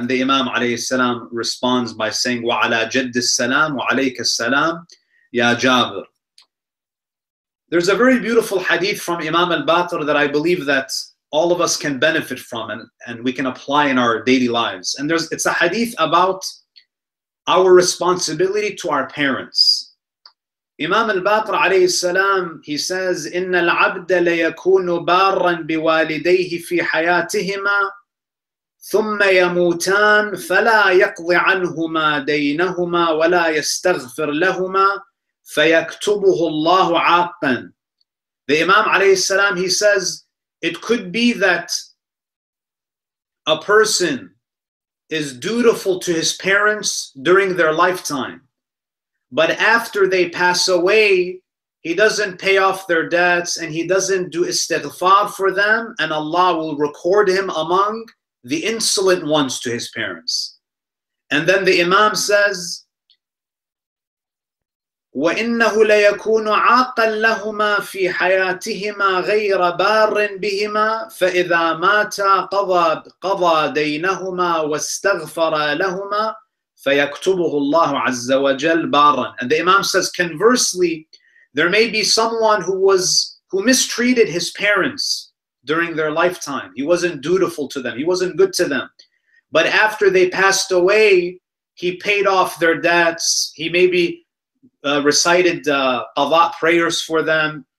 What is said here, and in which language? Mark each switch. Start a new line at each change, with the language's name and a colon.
English: And the Imam alayhi salam responds by saying,
Arabic: wa ala jadd al-salam wa alayka al-salam ya Jabir.
English: There's a very beautiful hadith from Imam al-Baqir that I believe that all of us can benefit from and we can apply in our daily lives. And it's a hadith about our responsibility to our parents.
Arabic: Imam al-Baqir alayhi salam, he says, إِنَّ الْعَبْدَ لَيَكُونُ بَارًا بِوَالِدَيْهِ فِي حَيَاتِهِمَا ثُمَّ يَمُوتَان فَلَا يَقْضِ عَنْهُمَا دَيْنَهُمَا وَلَا يَسْتَغْفِرْ لَهُمَا فَيَكْتُبُهُ اللَّهُ عَاقًا.
English: The Imam alayhi salam, he says, it could be that a person is dutiful to his parents during their lifetime, but after they pass away, he doesn't pay off their debts and he doesn't do istighfar for them, and Allah will record him among the insolent ones to his parents.
Arabic: And then the Imam says, وَإِنَّهُ لَيَكُونُ عَاقًا لَهُمَا فِي حَيَاتِهِمَا غَيْرَ بَارٍ بِهِمَا فَإِذَا مَاتَ قَضَى دَيْنَهُمَا وَاسْتَغْفَرَ لَهُمَا فَيَكْتُبُهُ اللَّهُ عَزَّ وَجَلْ بَارًا.
English: And the Imam says, conversely, there may be someone who mistreated his parents during their lifetime. He wasn't dutiful to them. He wasn't good to them. But after they passed away, he paid off their debts. He maybe recited prayers for them.